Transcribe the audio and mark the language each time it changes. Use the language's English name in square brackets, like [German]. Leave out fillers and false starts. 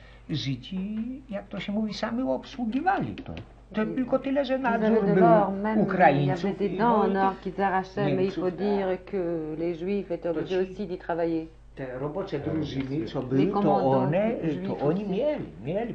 [Polish] Żydzi, jak to się mówi, sami obsługiwali to. To tylko tyle, że nadzór był Ukraińców. [French] Il y avait des dents en or qu'ils arrachaient, mais il faut dire que les Juifs étaient obligés aussi d'y travailler. [Polish] Te robocze drużyny, co były, to oni mieli,